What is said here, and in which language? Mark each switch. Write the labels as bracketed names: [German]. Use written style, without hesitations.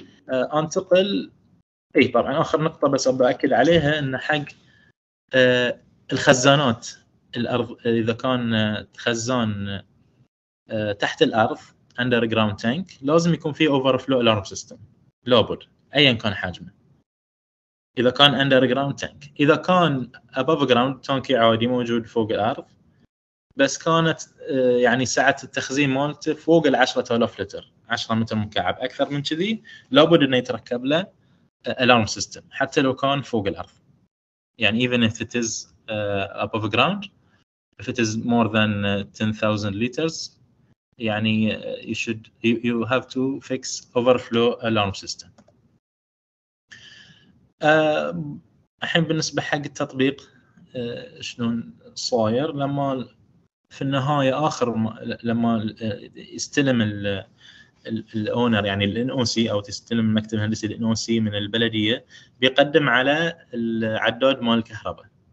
[Arabic] أنتقل أي طبعاً آخر نقطة بس أبأكد عليها، إن حق الخزانات الأرض إذا كان خزان تحت الأرض underground tank لازم يكون فيه overflow alarm system لابد أيا كان حجمه، إذا كان underground tank. إذا كان above ground tank عادي موجود فوق الأرض بس كانت يعني سعة التخزين مالته فوق 10,000 لتر 10 متر مكعب، أكثر من كذي لابد إنه يتركب له alarm system حتى لو كان فوق الأرض. [English] يعني even if it is above ground, if it is more than 10,000 liters, يعني you have to fix overflow alarm system. [Arabic] الحين بالنسبة حق التطبيق شلون صاير، لما في النهاية آخر لما يستلم الأونر يعني الـNOC أو تستلم المكتب الهندسي الـNOC من البلدية بيقدم على العداد مال الكهرباء.